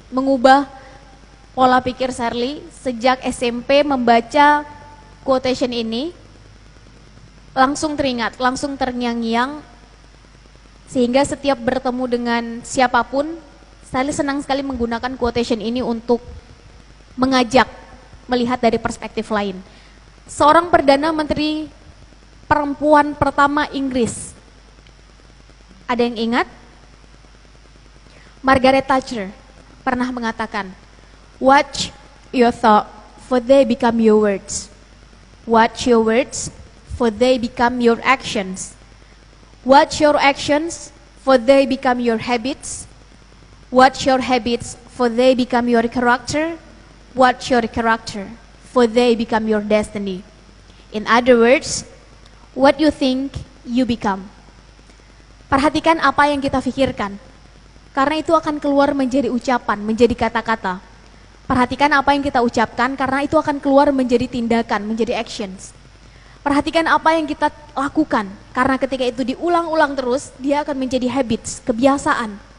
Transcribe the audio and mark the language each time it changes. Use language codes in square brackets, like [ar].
[id] Mengubah pola pikir Sally sejak SMP membaca quotation ini, langsung teringat, langsung terngiang-ngiang, sehingga setiap bertemu dengan siapapun, Sally senang sekali menggunakan quotation ini untuk mengajak melihat dari perspektif lain. Seorang Perdana Menteri perempuan pertama Inggris, ada yang ingat? [en] Margaret Thatcher [id] pernah mengatakan, [en] "Watch your thoughts, for they become your words. Watch your words, for they become your actions. Watch your actions, for they become your habits. Watch your habits, for they become your character. Watch your character, for they become your destiny." In other words, what you think, you become. [id] Perhatikan apa yang kita pikirkan, karena itu akan keluar menjadi ucapan, menjadi kata-kata. Perhatikan apa yang kita ucapkan, karena itu akan keluar menjadi tindakan, menjadi actions. Perhatikan apa yang kita lakukan, karena ketika itu diulang-ulang terus, dia akan menjadi habits, kebiasaan.